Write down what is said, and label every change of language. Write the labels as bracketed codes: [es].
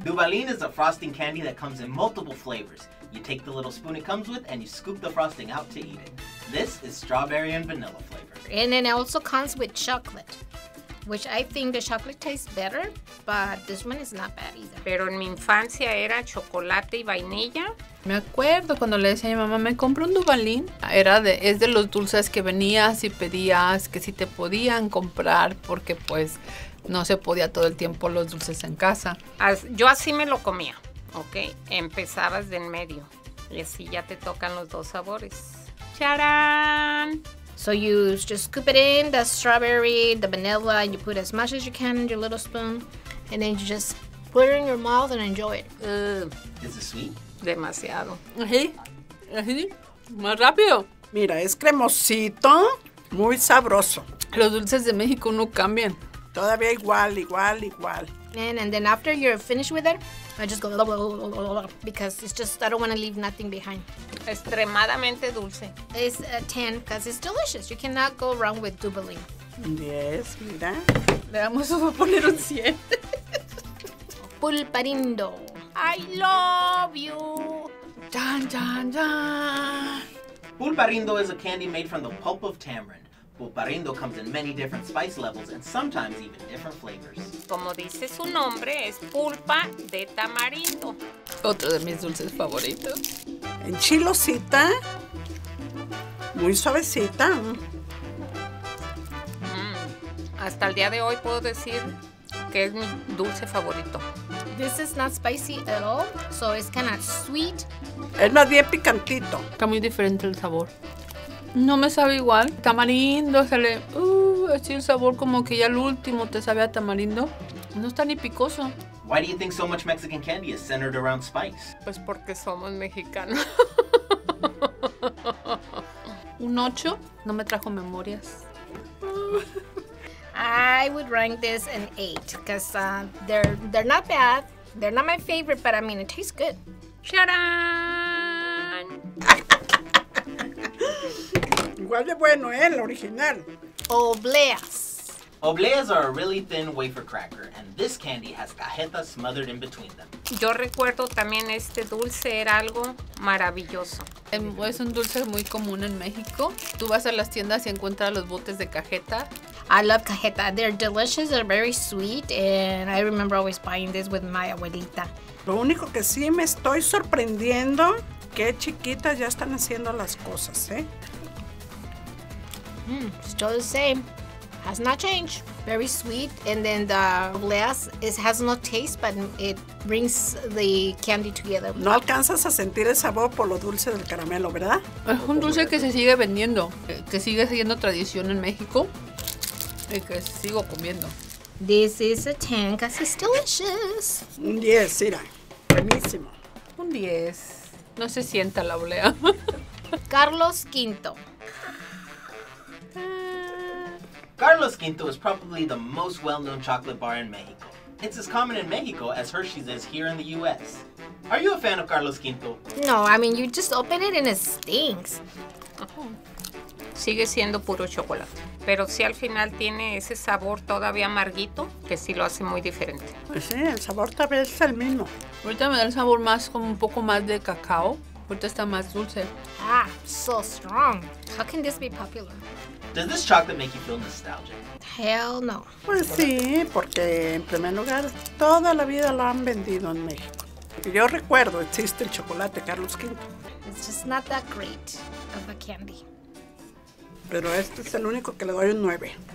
[en] Dubalín is a frosting candy that comes in multiple flavors. You take the little spoon it comes with and you scoop the frosting out to eat it. This is strawberry and vanilla flavor. And then it also comes with chocolate, which I think the chocolate tastes better, but this one is not bad either. [es] Pero en mi infancia era chocolate y vainilla. Me acuerdo cuando le decía a mi mamá, me compro un Dubalín. Es de los dulces que venías y pedías, que sí te podían comprar porque pues no se podía todo el tiempo los dulces en casa. Yo así me lo comía, ¿ok? Empezabas de en medio y así ya te tocan los dos sabores. ¡Charán! [en] So you just scoop it in, the strawberry, the vanilla, and you put as much as you can in your little spoon, and then you just put it in your mouth and enjoy it. Is it sweet? [es] Demasiado. Así, más rápido. Mira, es cremosito, muy sabroso. Los dulces de México no cambian. Todavía igual. [en] And then after you're finished with it, I just go blah, blah, blah, blah, blah, because it's just, I don't want to leave nothing behind. [es] Extremadamente dulce. [en] It's a 10 because it's delicious. You cannot go wrong with Dubalín. Yes, mira. [es] Le vamos a poner un 100. Pulparindo. [en] I love you. Dun, dun, dun. Pulparindo is a candy made from the pulp of tamarind. Pulparindo comes in many different spice levels and sometimes even different flavors. [es] Como dice su nombre, es pulpa de tamarindo. Otro de mis dulces favoritos. Enchilosita. Muy suavecita. Hasta el día de hoy puedo decir que es mi dulce favorito. [en] This is not spicy at all, so it's kind of sweet. [es] Es más bien picantito. Está muy diferente el sabor. No me sabe igual. Tamarindo, así el sabor como que ya el último te sabe a tamarindo. No está ni picoso. [en] Why do you think so much Mexican candy is centered around spice? [es] Pues porque somos mexicanos. Un 8 no me trajo memorias. [en] I would rank this an 8 because they're not bad. They're not my favorite, but I mean, it tastes good. Charan. [es] Igual de bueno, el original. Obleas. [en] Obleas are a really thin wafer cracker, and this candy has cajetas smothered in between them. [es] Yo recuerdo también este dulce era algo maravilloso. Es un dulce muy común en México. Tú vas a las tiendas y encuentras los botes de cajeta. [en] I love cajeta. They're delicious, they're very sweet, and I remember always buying this with my abuelita. [es] Lo único que sí me estoy sorprendiendo, qué chiquitas ya están haciendo las cosas, [en] Still the same. Has not changed. Very sweet, and then the glass, it has no taste, but it brings the candy together. [es] No alcanzas a sentir el sabor por lo dulce del caramelo, ¿verdad? Es un dulce que se sigue vendiendo, que sigue siendo tradición en México, y que sigo comiendo. [en] This is a 10, because it's delicious. [es] Un 10, mira. Buenísimo. Un 10. No se sienta la oblea. Carlos Quinto. [en] Carlos Quinto is probably the most well-known chocolate bar in Mexico. It's as common in Mexico as Hershey's is here in the U.S. Are you a fan of Carlos Quinto? No, I mean, you just open it and it stinks. [es] Sigue siendo puro chocolate. Pero sí al final tiene ese sabor todavía amarguito, que sí lo hace muy diferente. Pues sí, el sabor tal vez es el mismo. Ahorita me da el sabor más como un poco más de cacao. Ahorita está más dulce. [en] Ah, so strong. How can this be popular? Does this chocolate make you feel nostalgic? Hell no. [es] Pues sí, porque en primer lugar, toda la vida lo han vendido en México. Yo recuerdo, existe el chocolate Carlos V. [en] It's just not that great of a candy. [es] Pero este es el único que le doy un 9.